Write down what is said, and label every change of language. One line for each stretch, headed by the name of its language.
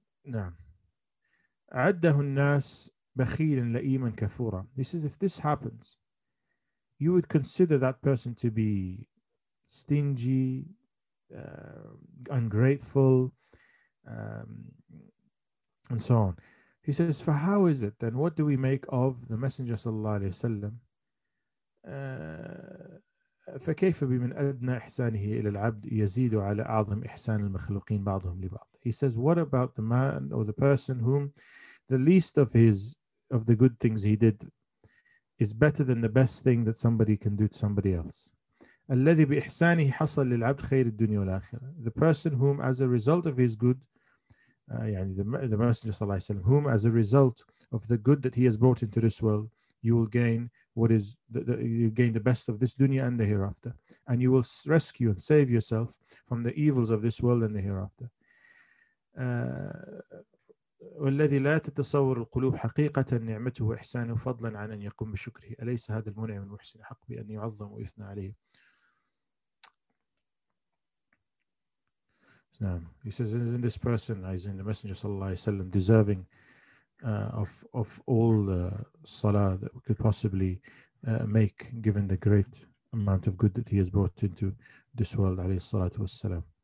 Arabic: عَدَّهُ النَّاسِ بَخِيلًا لَئِيمًا كَفُورًا.
English: He says, if this happens, you would consider that person to be stingy, ungrateful, and so on. He says, for how is it then? What do we make of the Messenger sallallahu alayhi wa sallam?
Arabic: فَكَيْفَ بِمِنْ أَدْنَى إِحْسَانِهِ إِلَى الْعَبْدِ يَزِيدُ عَلَىٰ أَعْظَمْ إِحْسَانِ الْمَخْلُقِينَ بَعْضُهُمْ لِبَعْضٍ.
English: He says, what about the man or the person whom the least of the good things he did is better than the best thing that somebody can do to somebody else?
Arabic: الَّذِي بِإِحْسَانِهِ حَصَلْ لِلْعَبْدِ خَيْرِ الدُّنْيَا وَالْآخِرَةِ.
English: The person whom, as a result of his good, the Messenger sallallahu alayhi wa sallam, whom as a result of the good that he has brought into this world, you will gain what is the, you gain the best of this dunya and the hereafter, and you will rescue and save yourself from the evils of this world and the hereafter.
Arabic: والذي لا تتصور القلوب حقيقة نعمته وإحسانه فضلا عن أن يقوم بشكره أليس هذا المنعم المحسن حق بأن يعظم ويثنى عليه. نعم.
English: He says, isn't this person, as in the Messenger
Arabic: صلى الله عليه وسلم,
English: deserving of all the salah that we could possibly make given the great amount of good that he has brought into this world,
Arabic: عليه الصلاة والسلام.